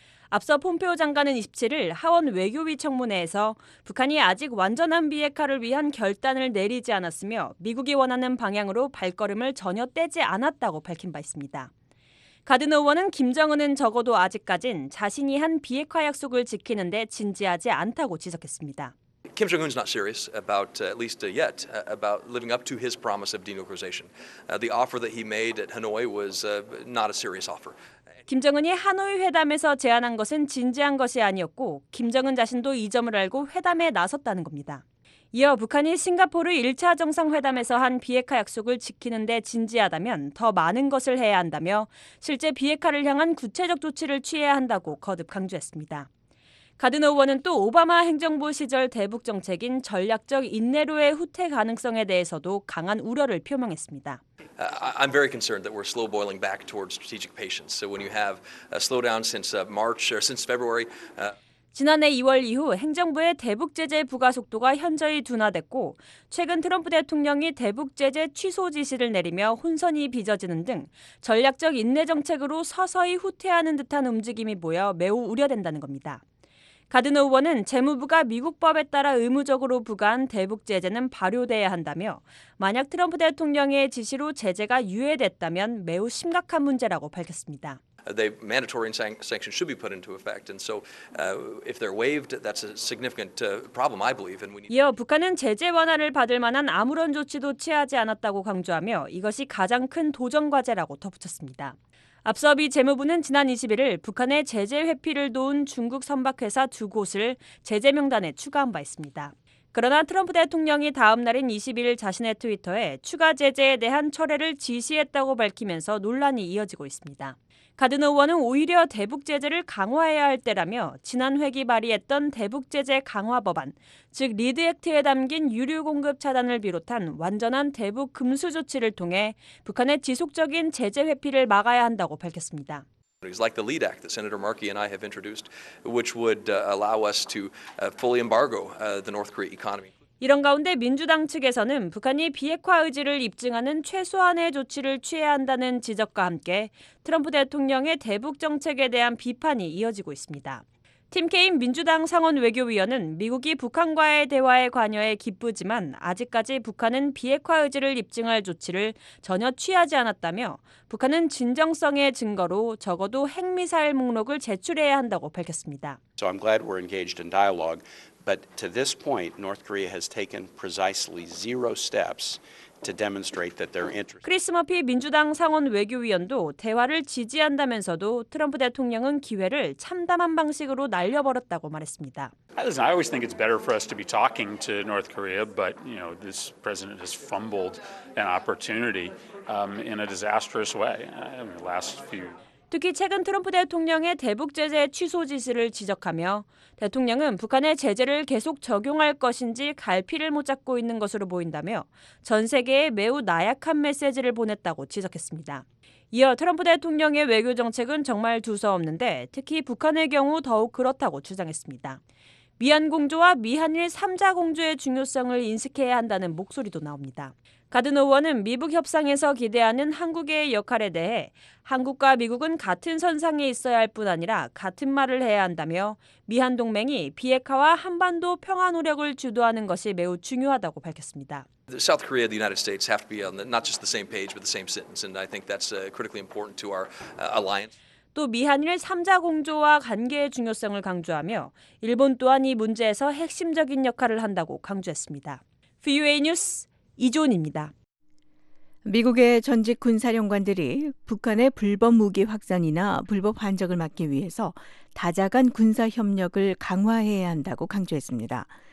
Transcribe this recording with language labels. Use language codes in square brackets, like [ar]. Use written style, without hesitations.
[ko] 앞서 폼페오 장관은 27일 하원 외교위 청문회에서 북한이 아직 완전한 비핵화를 위한 결단을 내리지 않았으며 미국이 원하는 방향으로 발걸음을 전혀 떼지 않았다고 밝힌 바 있습니다. 가드너 의원은 김정은은 적어도 아직까진 자신이 한 비핵화 약속을 지키는데 진지하지 않다고 지적했습니다. [en] Kim Jong-un's not serious about at least yet about living up to his promise of denuclearization. The offer that he made at Hanoi was not a serious offer. [ko] 김정은이 하노이 회담에서 제안한 것은 진지한 것이 아니었고 김정은 자신도 이 점을 알고 회담에 나섰다는 겁니다. 이어 북한이 싱가포르 1차 정상회담에서 한 비핵화 약속을 지키는데 진지하다면 더 많은 것을 해야 한다며 실제 비핵화를 향한 구체적 조치를 취해야 한다고 거듭 강조했습니다. 가드너 의원은 또 오바마 행정부 시절 대북 정책인 전략적 인내로의 후퇴 가능성에 대해서도 강한 우려를 표명했습니다. [en] I'm very concerned that we're slow boiling back towards strategic patience. So when you have a slowdown since March or since February. [ko] 지난해 2월 이후 행정부의 대북 제재 부과 속도가 현저히 둔화됐고 최근 트럼프 대통령이 대북 제재 취소 지시를 내리며 혼선이 빚어지는 등 전략적 인내 정책으로 서서히 후퇴하는 듯한 움직임이 보여 매우 우려된다는 겁니다. 가드너 의원은 재무부가 미국 법에 따라 의무적으로 부과한 대북 제재는 발효돼야 한다며 만약 트럼프 대통령의 지시로 제재가 유예됐다면 매우 심각한 문제라고 밝혔습니다. [en] The mandatory sanctions should be put into effect, and so if they're waived, that's a significant problem, I believe. And we need. [ko] 이어 북한은 제재 완화를 받을 만한 아무런 조치도 취하지 않았다고 강조하며 이것이 가장 큰 도전 과제라고 덧붙였습니다. 앞서 미 재무부는 지난 21일 북한의 제재 회피를 도운 중국 선박회사 두 곳을 제재 명단에 추가한 바 있습니다. 그러나 트럼프 대통령이 다음 날인 21일 자신의 트위터에 추가 제재에 대한 철회를 지시했다고 밝히면서 논란이 이어지고 있습니다. 가드너 의원은 오히려 대북 제재를 강화해야 할 때라며 지난 회기 발의했던 대북 제재 강화 법안, 즉 리드 액트에 담긴 유류 공급 차단을 비롯한 완전한 대북 금수 조치를 통해 북한의 지속적인 제재 회피를 막아야 한다고 밝혔습니다. [en] It's like the lead act that Senator Markey and I have introduced, which would allow us to fully embargo the North Korea economy. [ko] 이런 가운데 민주당 측에서는 북한이 비핵화 의지를 입증하는 최소한의 조치를 취해야 한다는 지적과 함께 트럼프 대통령의 대북 정책에 대한 비판이 이어지고 있습니다. 팀 케인 민주당 상원 외교위원은 미국이 북한과의 대화에 관여해 기쁘지만 아직까지 북한은 비핵화 의지를 입증할 조치를 전혀 취하지 않았다며 북한은 진정성의 증거로 적어도 핵미사일 목록을 제출해야 한다고 밝혔습니다. [en] So I'm glad we're engaged in dialogue. But to this point, North Korea has taken precisely zero steps to demonstrate that they're interested. [ko] 크리스 머피 민주당 상원 외교위원도 대화를 지지한다면서도 트럼프 대통령은 기회를 참담한 방식으로 날려버렸다고 말했습니다. [en] Listen, I always think it's better for us to be talking to North Korea, but you know, this president has fumbled an opportunity in a disastrous way. In the last few. [ko] 특히 최근 트럼프 대통령의 대북 제재 취소 지시를 지적하며 대통령은 북한의 제재를 계속 적용할 것인지 갈피를 못 잡고 있는 것으로 보인다며 전 세계에 매우 나약한 메시지를 보냈다고 지적했습니다. 이어 트럼프 대통령의 외교 정책은 정말 두서없는데 특히 북한의 경우 더욱 그렇다고 주장했습니다. 미한 공조와 미한일 3자 공조의 중요성을 인식해야 한다는 목소리도 나옵니다. 가드너 의원은 미북 협상에서 기대하는 한국의 역할에 대해 한국과 미국은 같은 선상에 있어야 할 뿐 아니라 같은 말을 해야 한다며 미한 동맹이 비핵화와 한반도 평화 노력을 주도하는 것이 매우 중요하다고 밝혔습니다. [en] South Korea and the United States have to be on the, not just the same page but the same sentence and I think that's critically important to our alliance. [ko] 또 미한일 3자 공조와 관계의 중요성을 강조하며 일본 또한 이 문제에서 핵심적인 역할을 한다고 강조했습니다. VOA 뉴스 이존입니다. 미국의 전직 군사령관들이 북한의 불법 무기 확산이나 불법 환적을 막기 위해서 다자간 군사협력을 강화해야 한다고 강조했습니다.